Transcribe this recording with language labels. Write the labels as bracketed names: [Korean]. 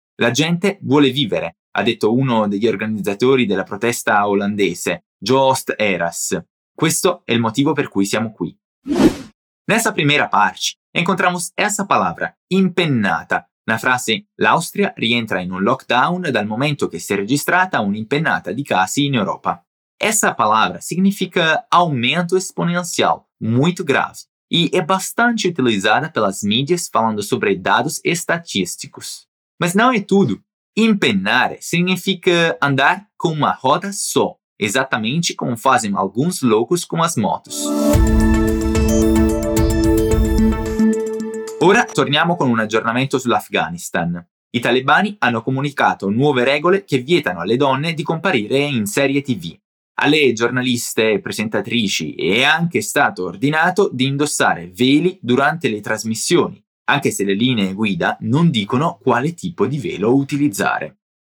[Italian] «La gente vuole vivere», ha detto uno degli organizzatori della protesta olandese, Joost Eras. «Questo è il motivo per cui siamo qui». [Portuguese] Nessa primera parte, encontramos essa palavra, [Italian] «impennata», una frase: l'Austria rientra in un lockdown dal momento che si è registrata un'impennata di casi in Europa. [Portuguese] Essa palavra significa aumento exponencial, muito grave, e é bastante utilizada pelas mídias falando sobre dados estatísticos. Mas não é tudo. Impennare significa andar com uma roda só, exatamente como fazem alguns loucos com as motos. [Italian] Ora torniamo con un aggiornamento sull'Afghanistan. I talebani hanno comunicato nuove regole che vietano alle donne di comparire in serie TV. Alle giornaliste e presentatrici è anche stato ordinato di indossare veli durante le trasmissioni, anche se le linee guida non dicono quale tipo di velo utilizzare.